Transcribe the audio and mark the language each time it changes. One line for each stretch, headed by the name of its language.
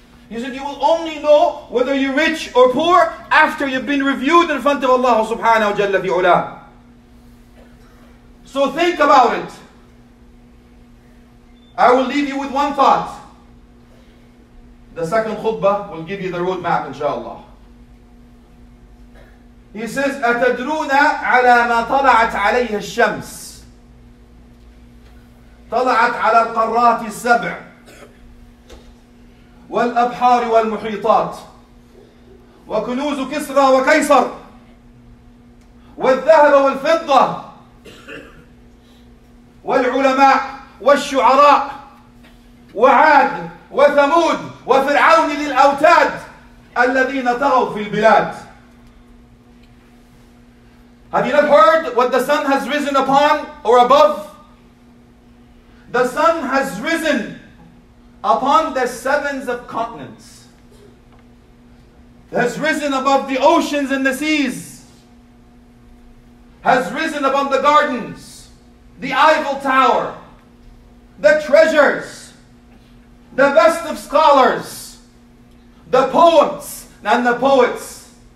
English: He said, you will only know whether you're rich or poor after you've been reviewed in front of Allah subhanahu wa jalla fi ula. So think about it. I will leave you with one thought. The second khutbah will give you the roadmap, inshallah. He says,
Arabic: أَتَدْرُونَ عَلَى مَا طَلَعَتْ عَلَيْهِ الشَّمْسِ. طلعت على القارات السبع والأبحار والمحيطات وكنوز كسرى وقيصر والذهب والفضة والعلماء والشعراء وعاد وثمود وفرعون للأوتاد الذين تغوا في البلاد.
English: Have you not heard what the sun has risen upon or above? The sun has risen upon the sevens of continents. Has risen above the oceans and the seas. Has risen above the gardens, the Eiffel Tower, the treasures, the best of scholars, the poets and the poets.